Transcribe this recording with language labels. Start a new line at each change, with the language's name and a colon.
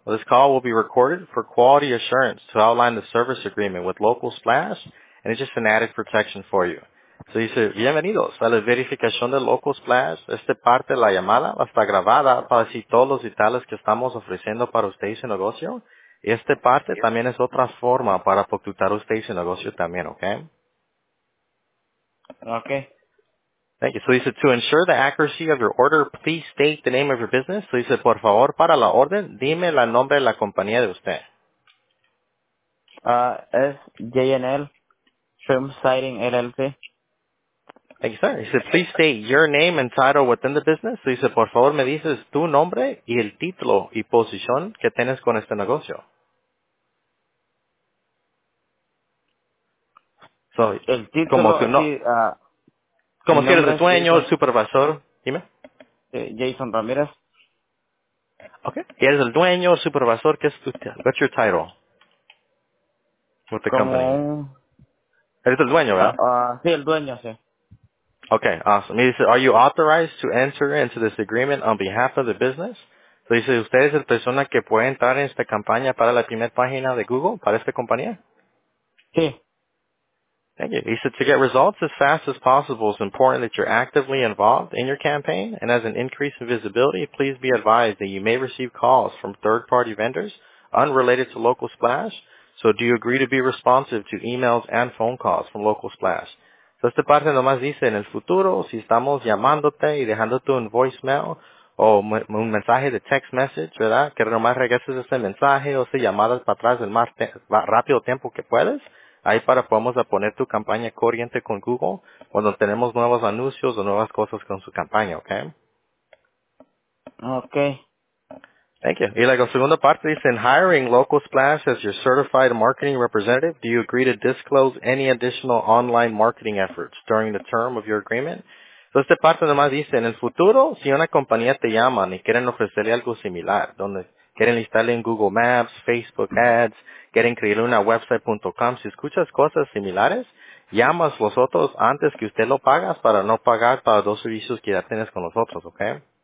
English: This call will be recorded for quality assurance to outline the service agreement with Local Splash, and it's just an added protection for you.
Spanish: So dice, bienvenidos a la verificación de Local Splash. Esta parte de la llamada va a estar grabada para decir todos los detalles que estamos ofreciendo para usted y su negocio. Y esta parte también es otra forma para facturar usted y su negocio también, ¿ok?
English: Ok. Thank you. So dice, to ensure the accuracy of your order, please state the name of your business.
Spanish: So dice, por favor, para la orden, dime el nombre de la compañía de usted. Es J&L, Trim Siding LLC.
English: Thank you, sir. He said, please state your name and title within the business. So he said,
Spanish: por favor, me dices tu nombre y el título y posición que tienes con este negocio. So, el título, como tu, no, sí, como si eres el dueño, el supervisor, dime. Jason Ramirez. Okay. ¿Eres el dueño, el supervisor? ¿Qué es tu título?
English: What's your title? With the
Spanish: como, company. ¿Eres el dueño, verdad? Sí, el dueño, sí.
English: Okay, awesome. He said, are you authorized to enter into this agreement on behalf of the business?
Spanish: So he said, ¿usted es la persona que puede entrar en esta campaña para la primera página de Google, para esta compañía? Sí.
English: Thank you. He said, to get results as fast as possible, it's important that you're actively involved in your campaign, and as an increase in visibility, please be advised that you may receive calls from third-party vendors unrelated to Local Splash. So do you agree to be responsive to emails and phone calls from Local Splash?
Spanish: So esta parte nomás dice, en el futuro, si estamos llamándote y dejándote un voicemail o un mensaje de text message, ¿verdad? Que nomás regreses ese mensaje o esa llamada para atrás el más rápido tiempo que puedes. Ahí para podemos poner tu campaña corriente con Google cuando tenemos nuevos anuncios o nuevas cosas con su campaña, ¿ok?
English: Ok. Thank you.
Spanish: Y la segunda parte dice,
English: in hiring Local Splash as your certified marketing representative, do you agree to disclose any additional online marketing efforts during the term of your agreement?
Spanish: So esta parte nomás dice, en el futuro, si una compañía te llama y quieren ofrecerle algo similar, donde quieren listarle en Google Maps, Facebook Ads, quieren crearle una website.com, si escuchas cosas similares, llamas los otros antes que usted lo pagas para no pagar para dos servicios que ya tienes con nosotros, ¿ok?